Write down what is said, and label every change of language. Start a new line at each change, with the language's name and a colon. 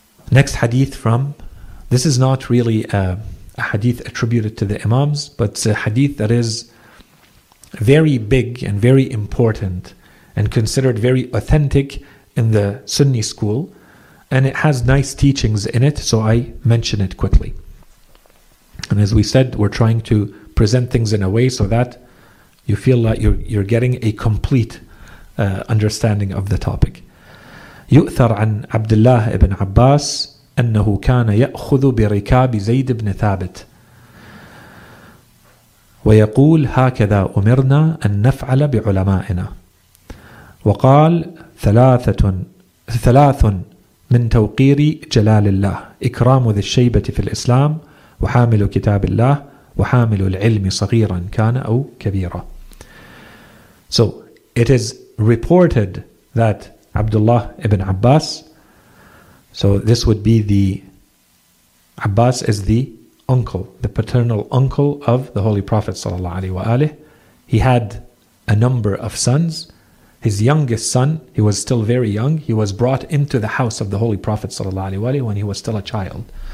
English: Next hadith from, this is not really a hadith attributed to the imams, but it's a hadith that is very big and very important and considered very authentic in the Sunni school, and it has nice teachings in it, so I mention it quickly. And as we said, we're trying to present things in a way so that you feel like you're getting a complete understanding of the topic.
Arabic: يؤثر عن عبد الله بن عباس أنه كان يأخذ بركاب زيد بن ثابت ويقول هكذا أمرنا أن نفعل بعلمائنا وقال ثلاث من توقير جلال الله إكرام ذي الشيبة في الإسلام وحامل كتاب الله وحامل العلم صغيرا كان أو كبيرا.
English: So it is reported that Abdullah ibn Abbas, so this would be the, Abbas is the uncle, the paternal uncle of the Holy Prophet sallallahu alaihi wa alihi. He had a number of sons. His youngest son, he was still very young, he was brought into the house of the Holy Prophet sallallahu alaihi wa alihi when he was still a child.